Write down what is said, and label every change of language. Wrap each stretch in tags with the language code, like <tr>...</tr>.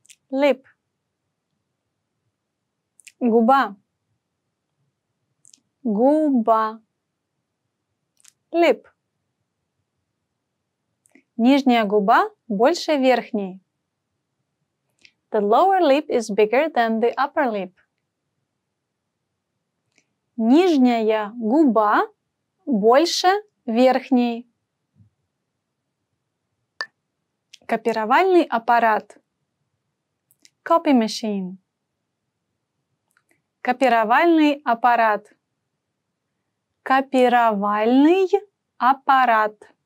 <en>Lip.</en> <ru>Губа. Губа.</ru> <en>Lip.</en> <ru>Нижняя губа больше верхней.</ru> <en>The lower lip is bigger than the upper lip.</en> <ru>Нижняя губа больше верхней. Копировальный аппарат.</ru> <en>Copy machine.</en> <ru>Копировальный аппарат. Копировальный аппарат.</ru>